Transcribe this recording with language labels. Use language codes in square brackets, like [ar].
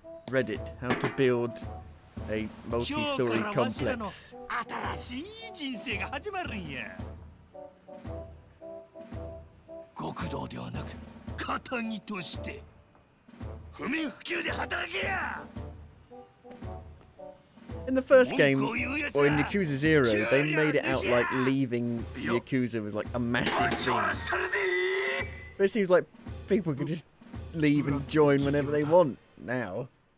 [en] Reddit, how to build a multi-story complex. [ja] 今日からわしらの新しい人生が始まるんや。極道ではなく、肩にとして不眠不休で働けや。 [en] In the first game, or in Yakuza 0, they made it out like leaving Yakuza was like a massive thing. It seems like people could just leave and join whenever they want now.